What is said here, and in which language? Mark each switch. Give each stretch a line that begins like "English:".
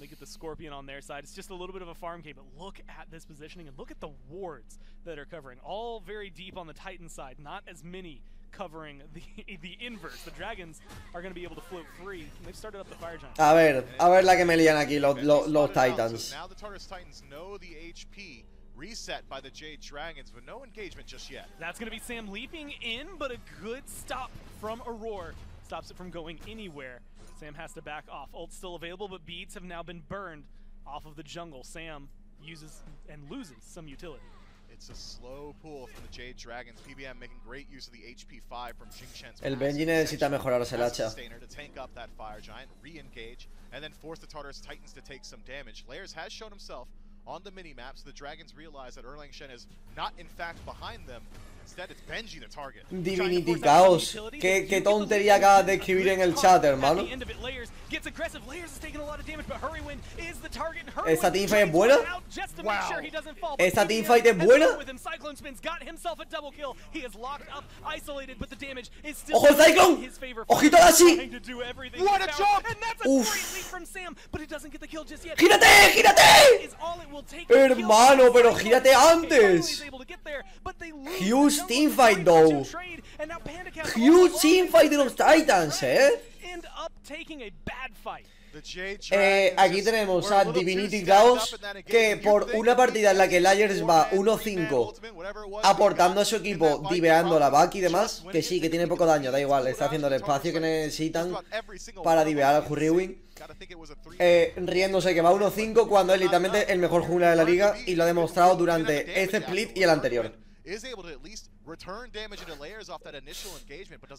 English: The Scorpion on their side. It's just a little bit of a farm game, but look at this positioning and look at the wards that are covering. All very deep on the Titan side. Not as many covering the inverse. The Dragons are going to be able to float free. They've started up the Fire Giant.
Spanish: A ver la que me lian aquí los Titans.
English: So now the Tartarus Titans know the HP reset by the Jade Dragons, but no engagement just yet. That's going to be Sam leaping in, but a good stop from Aurora stops it from going anywhere. Sam has to back off. Ult's still available, but beads have now been burned off of the jungle. Sam uses and loses some utility. It's a slow pull from the Jade Dragons. PBM making great use of the HP 5 from Jingchen's.
Spanish: El Benji necesita mejorarse el hacha.
English: To tank up that Fire Giant, re-engage, and then force the Tartarus Titans to take some damage. Layers has shown himself on the mini-map, so the Dragons realize that Erlang Shen is not, in fact, behind them. Instead, it's Benji the target. Divinity Chaos.
Spanish: Qué tontería acabas de escribir en el chat, hermano.
English: At the end of it, Layers gets aggressive. Layers is taking a lot of damage, but Hurrywind is the target.
Spanish: ¿Esta teamfight es buena? Wow. ¿Esta teamfight es buena?
English: Cyclone Spin's got himself a double kill. He is locked up, isolated, but the damage is still...
Spanish: ¡Ojo, Cyclone! ¡Ojito así!
English: ¡What a jump! And that's a great leap from Sam, but it doesn't get the kill just yet.
Spanish: ¡Gírate! ¡Gírate! Hermano, pero gírate antes.
English: Huge teamfight, though. Huge teamfight
Spanish: de los Titans, eh. Aquí tenemos a Divinity Chaos, que por una partida en la que Layers va 1-5 aportando a su equipo, diveando la back y demás, que sí, que tiene poco daño, da igual, está haciendo el espacio que necesitan para divear al Hurrywind. Riéndose que va 1-5 cuando es literalmente el mejor jungler de la liga y lo ha demostrado durante este split y el anterior.
English: Is able to at least return damage into Layers off that initial engagement, but